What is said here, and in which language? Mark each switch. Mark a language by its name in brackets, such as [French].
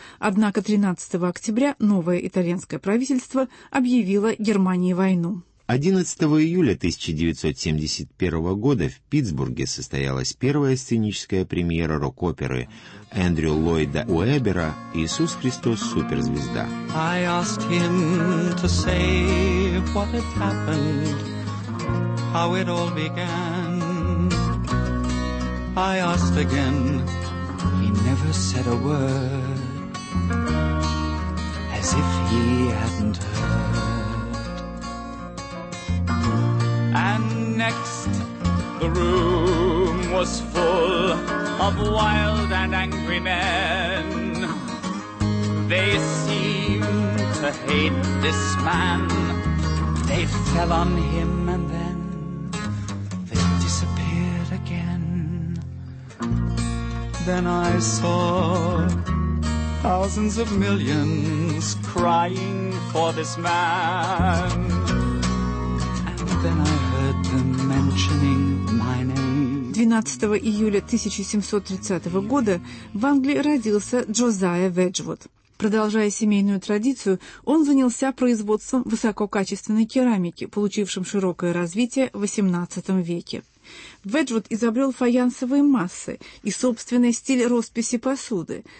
[Russian] Однако 13 октября новое итальянское правительство объявило Германии войну. 11 июля 1971 года в Питтсбурге состоялась первая сценическая премьера рок-оперы Эндрю Ллойда Уэббера «Иисус Христос. Суперзвезда». [English] I asked him to say what had happened, how it all began. I asked again, He never said a word, as if he hadn't heard. And next, the room was full of wild and angry men. They seemed to hate this man. They fell on him and then they disappeared again. Then I saw thousands of millions crying for this man. And then I heard them mentioning my name. [Russian] 12 июля 1730 года в Англии родился Джозая Веджвуд. Продолжая семейную традицию, он занялся производством высококачественной керамики, получившим широкое развитие в XVIII веке. Веджвуд изобрел фаянсовые массы и собственный стиль росписи посуды.